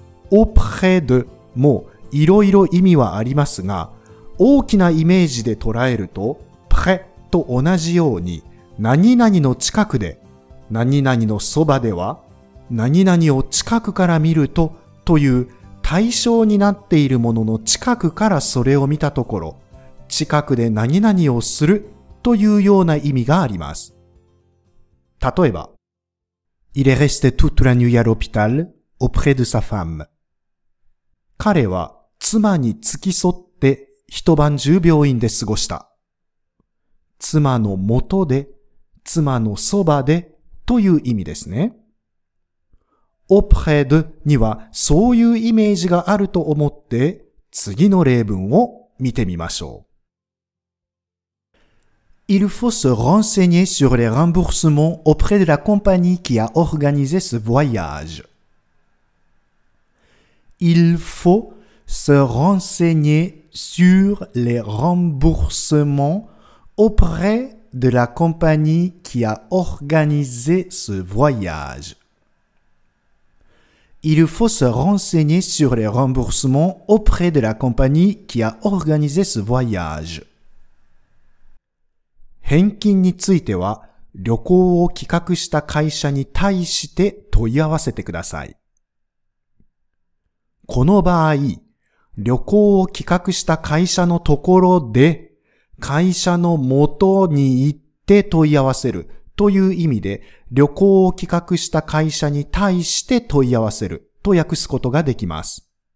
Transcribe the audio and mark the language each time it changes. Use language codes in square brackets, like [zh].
[ja] auprès deもういろいろ意味はありますが、大きなイメージで捉えると、près と同じように、何々の近くで、何々のそばでは、何々を近くから見るとという対象になっているものの近くからそれを見たところ、近くで何々をするというような意味があります。例えば、 [fr] Il est resté toute la nuit à l'hôpital auprès de sa femme. [ja] 彼は妻に付き添って一晩中病院で過ごした。妻の元で、妻のそばでという意味ですね。 auprès deにはそういうイメージがあると思って、次の例文を見てみましょう。 [fr] Il faut se renseigner sur les remboursements auprès de la compagnie qui a organisé ce voyage. Il faut se renseigner sur les remboursements auprès de la compagnie qui a organisé ce voyage. Il faut se renseigner sur les remboursements auprès de la compagnie qui a organisé ce voyage. [ja] 返金については、旅行を企画した会社に対して問い合わせてください。この場合、旅行を企画した会社のところで、会社の元に行って問い合わせるという意味で、旅行を企画した会社に対して問い合わせると訳すことができます。